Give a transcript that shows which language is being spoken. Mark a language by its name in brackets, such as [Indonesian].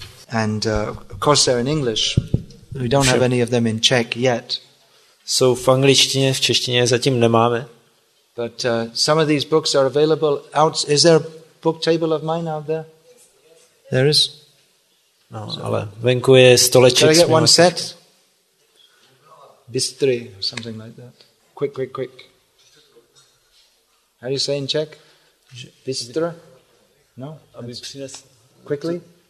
[English] And of course they're in English. We don't have any of them in Czech yet. [Czech] Jsou v angličtině, v češtině zatím nemáme. [English] But some of these books are available out. Is there a book table of mine out there? There is. [Czech] No, so, ale venku je stoleček. [English] Can I get one set? Bystry, something like that. Quick, quick, quick. How do you say in Czech? Bystra? No? Quickly?